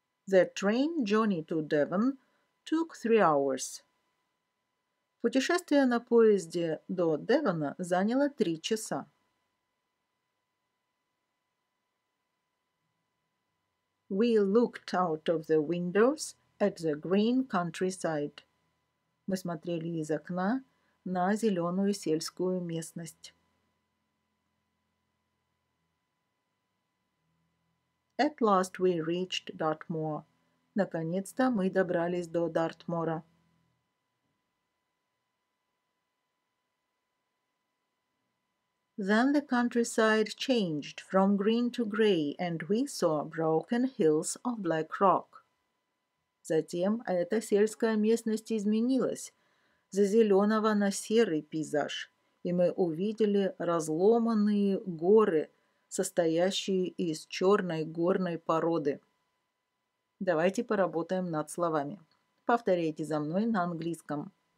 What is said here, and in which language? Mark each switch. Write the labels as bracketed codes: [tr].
[en] The train journey to Devon took 3 hours. [ru] Путешествие на поезде до Девона заняло 3 часа. [en] We looked out of the windows at the green countryside. [ru] Мы смотрели из окна на зеленую сельскую местность. [en] At last we reached Dartmoor. [ru] Наконец-то мы добрались до Дартмора. [en] Then the countryside changed from green to grey, and we saw broken hills of black rock. [ru] Затем эта сельская местность изменилась за зеленого на серый пейзаж, и мы увидели разломанные горы, состоящие из черной горной породы. Давайте поработаем над словами. Повторяйте за мной на английском.